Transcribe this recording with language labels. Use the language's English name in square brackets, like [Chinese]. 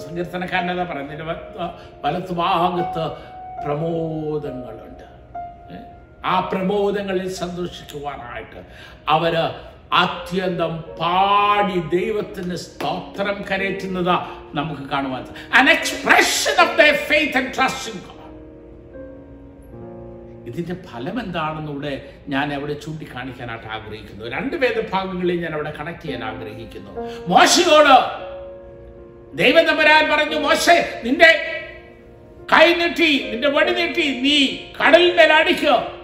[Malayalam] സങ്കീർത്തനക്കാരനെ പറഞ്ഞതിന് വലത്ഭാഗത്ത് പ്രമോദങ്ങളുണ്ട്. ആ പ്രമോദങ്ങളിൽ സന്തോഷിക്കുവാനായിട്ട് അവര് അത്യന്തം പാടി ദൈവത്തിന് സ്തോത്രം കരയേറ്റുന്നത് നമുക്ക് കാണുവാൻ. [English] An expression of their faith and trust in God. [Malayalam] ഇതിന്റെ ഫലം എന്താണെന്നൂടെ ഞാൻ അവിടെ ചൂണ്ടിക്കാണിക്കാനായിട്ട് ആഗ്രഹിക്കുന്നു. രണ്ട് വേദഭാഗങ്ങളെയും ഞാൻ അവിടെ കണക്ട് ചെയ്യാൻ ആഗ്രഹിക്കുന്നു. മോശയോട് ദൈവം തമ്പുരാൻ പറഞ്ഞു, മോശെ നിന്റെ കൈ നീട്ടി, നിന്റെ വടി നീട്ടി, നീ കടലിന്റെ അടിക്കോ,